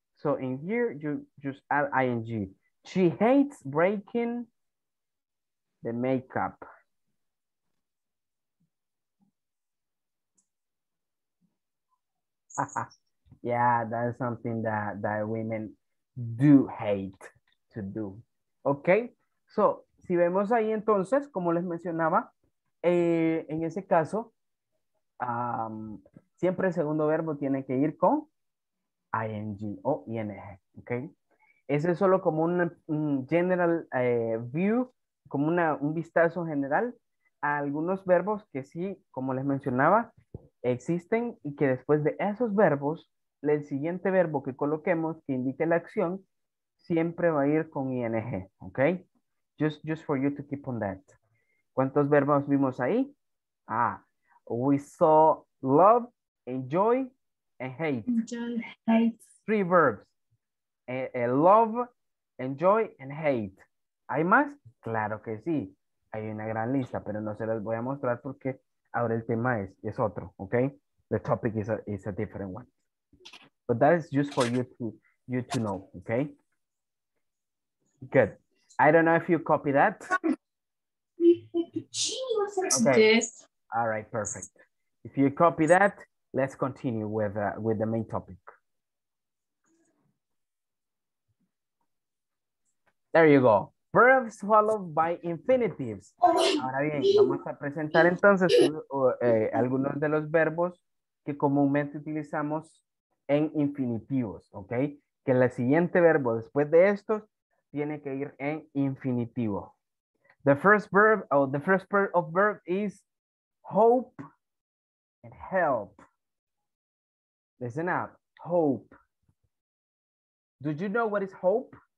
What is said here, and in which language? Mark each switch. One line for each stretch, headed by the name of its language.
English: So in here, you just add ing. She hates breaking the makeup. Yeah, that's something that women do hate to do.
Spanish: Okay, so si vemos ahí entonces, como les mencionaba, en ese caso, siempre el segundo verbo tiene que ir con ing o ing, ok. Ese es solo como un
English: general view,
Spanish: como un vistazo general a algunos verbos que sí, como les mencionaba, existen, y que después de esos verbos, el siguiente verbo que coloquemos, que indique la acción, siempre va a ir con ing, ok.
English: Just for you to keep on that.
Spanish: ¿Cuántos verbos vimos ahí?
English: We saw love, enjoy, and hate. Enjoy, hate. Three verbs. Love, enjoy, and hate.
Spanish: ¿Hay más? Claro que sí. Hay una gran lista, pero no se las voy a mostrar porque ahora el tema es otro, ¿ok?
English: The topic is a different one. But that is just for you to know, ¿ok? Good. I don't know if you copy that. Okay. Yes. All right, perfect. If you copy that, let's continue with the main topic. There you go. Verbs followed by infinitives.
Spanish: Ahora bien, vamos a presentar entonces algunos de los verbos que comúnmente utilizamos en infinitivos, ¿ok? Que el siguiente verbo después de estos tiene que ir en infinitivo.
English: The first verb, oh, the first pair of verb is hope and help. Listen up, hope. Do you know what is hope?